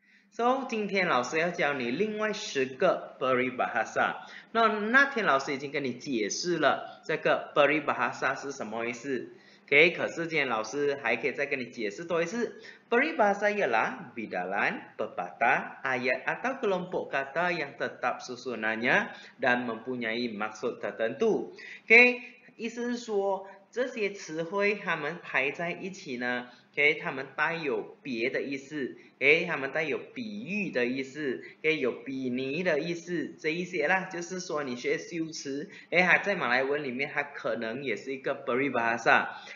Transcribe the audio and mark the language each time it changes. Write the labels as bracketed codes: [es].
[zh] So, 今天老师要教你另外10个 peribahasa. No, 那天老师已经跟你解释了这个 peribahasa 是什么意思。 Okay, 可是今天老师还可以再跟你解释多一次。 [ms] Peribahasa ialah bidalan, pepatah, ayat atau kelompok kata yang tetap susunannya dan mempunyai maksud tertentu. [zh] Okay, 意思是说, 这些词汇它们排在一起呢, okay, 它们带有别的意思, okay, 它们带有比喻的意思, okay, 有比拟的意思, 这一些啦, 就是说你学修辞, 还在马来文里面, 它可能也是一个 peribahasa。